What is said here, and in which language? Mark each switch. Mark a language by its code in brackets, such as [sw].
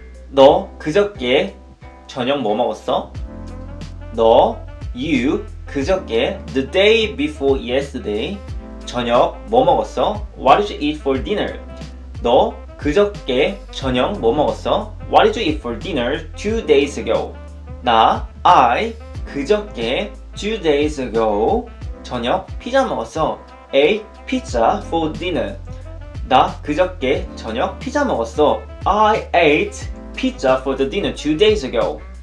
[ko] 너 그저께 저녁 뭐 먹었어? 너, [en] you, [ko] 그저께 [en] the day before yesterday [ko] 저녁 뭐 먹었어? [en] What did you eat for dinner? [ko] 너 그저께 저녁 뭐 먹었어? [en] What did you eat for dinner 2 days ago? [ko] 나 [en] I [ko] 그저께 [en] 2 days ago [ko] 저녁 피자 먹었어. [en] Ate pizza for dinner. [ko] 나 그저께 저녁 피자 먹었어. [en] I ate pizza for the dinner 2 days ago.